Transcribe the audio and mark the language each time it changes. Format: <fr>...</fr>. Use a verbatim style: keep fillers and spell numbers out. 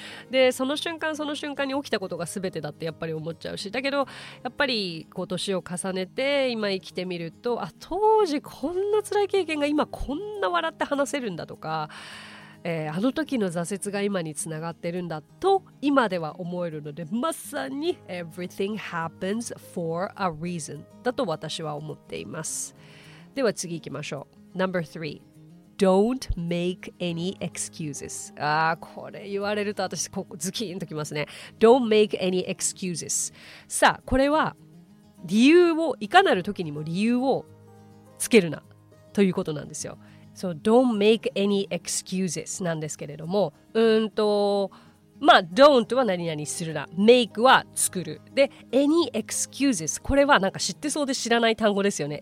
<ja>で、その瞬間その瞬間に起きたことが全てだってやっぱり思っちゃうし、だけどやっぱりこう年を重ねて今生きてみると、あ、当時こんな辛い経験が今こんな笑って話せるんだとか、えー、あの時の挫折が今につながってるんだと今では思えるので、まさに</ja> <en>Everything happens for a reason</en> <ja>だと私は思っています。では次行きましょう。</ja> <en>ナンバースリーDon't make any excuses。</en> <ja>あー、これ言われると私ここズキーンときますね。</ja> <en>Don't make any excuses。</en> <ja>さあ、これは理由をいかなる時にも理由をつけるなということなんですよ。</ja> <en>So don't make any excuses</en> <ja>なんですけれども、うーんとまあ don't は何々するな、 make は作る、で any excuses、 これはなんか知ってそうで知らない単語ですよね。</ja>